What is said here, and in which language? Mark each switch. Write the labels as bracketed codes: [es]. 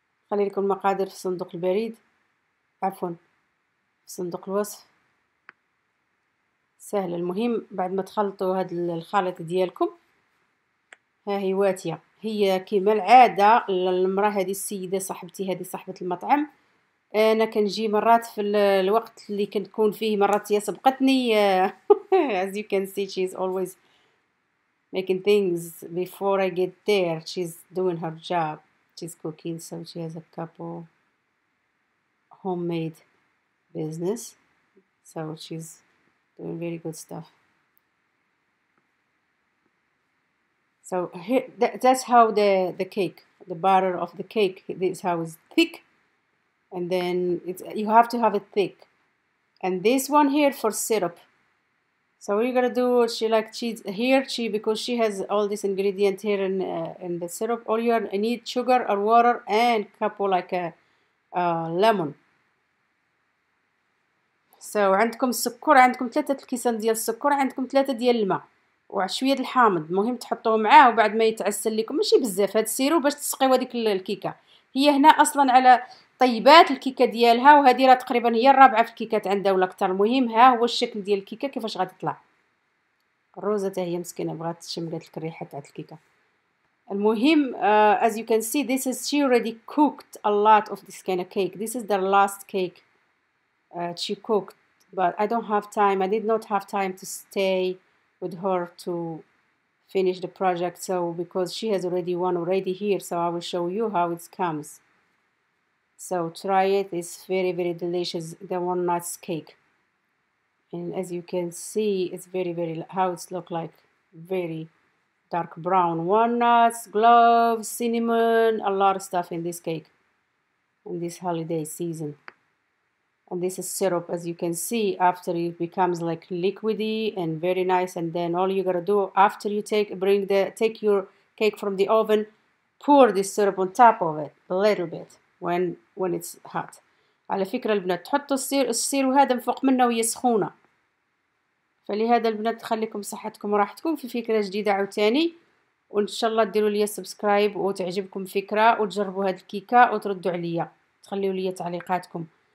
[ar] خلي لكم المقادير في صندوق البريد، عفوا في صندوق الوصف، سهله. المهم بعد ما تخلطوا هاد الخليط ديالكم، ها هي واتيه، هي كما العاده المراه هذه السيده صاحبتي، هذه صاحبه المطعم. انا كنجي مرات في الوقت اللي كنكون فيه، مرات هي سبقتني. [en] As you can see, she's always making things before I get there. She's doing her job, she's cooking, so she has a couple homemade business, so she's doing very good stuff. So that's how the cake, the batter of the cake, this is how it's thick. And then it's, you have to have it thick. And this one here for syrup. So what you gotta do, she like cheese here, she, because she has all this ingredient here in the syrup. All you need sugar or water and couple like a lemon. [ar] So عندكم السكر، عندكم ثلاثة الكيسان ديال السكر، عندكم ثلاثة ديال الماء، وعشوية الحامض. مهم تحطوه معاه وبعد ما يتعسل لكم، ماشي بزاف هاد السيرو باش تسقيوا هذيك الكيكه. هي هنا اصلا على طيبات الكيكه ديالها، وهذه راه تقريبا هي الرابعه في الكيكات عندها ولا اكثر. المهم ها هو الشكل ديال الكيكه كيفاش غادي تطلع. الروزه حتى هي مسكينه بغات شمله الريحه تاعت الكيكه. [en] المهم as you can see this is she already cooked a lot of this kind of cake. This is the last cake she cooked, but I don't have time. I did not have time to stay with her to finish the project. So because she has already one already here, so I will show you how it comes. So try it. It's very very delicious. The walnuts cake. And as you can see, it's very very how it look like very dark brown walnuts, cloves, cinnamon, a lot of stuff in this cake in this holiday season. And this is syrup, as you can see, after it becomes like liquidy and very nice. And then all you gotta do after you take your cake from the oven, pour this syrup on top of it a little bit when it's hot. [ar] على فكرة البنات تحطوا السير وهذا فوق منه وهي سخونة. فلهذا البنات خليكم صحتكم وراحتكم في فكرة جديدة عاوتاني، وان شاء الله ديروا لي سبسكرايب وتعجبكم فكرة وتجربوا هاد الكيكة وتردوا عليا تخليوا لي تعليقاتكم.